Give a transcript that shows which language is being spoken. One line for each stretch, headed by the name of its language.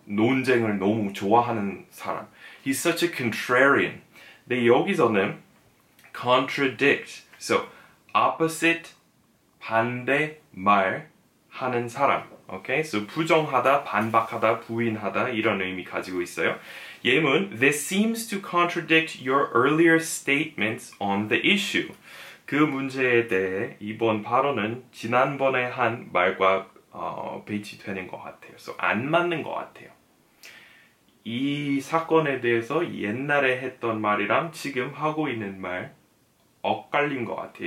Korean: 논쟁을 너무 좋아하는 사람.
English: He's such a contrarian.
Korean: 네, 여기서는
English: contradict, so opposite,
Korean: 반대, 말하는 사람,
English: okay?
Korean: So 부정하다, 반박하다, 부인하다 이런 의미 가지고 있어요.
English: 예문, this seems to contradict your earlier statements on the issue.
Korean: 그 문제에 대해 이번 발언은 지난번에 한 말과 배치되는 것 같아요. So 안 맞는 것 같아요. 이 사건에 대해서 옛날에 했던 말이랑 지금 하고 있는 말 엇갈린 것 같아요.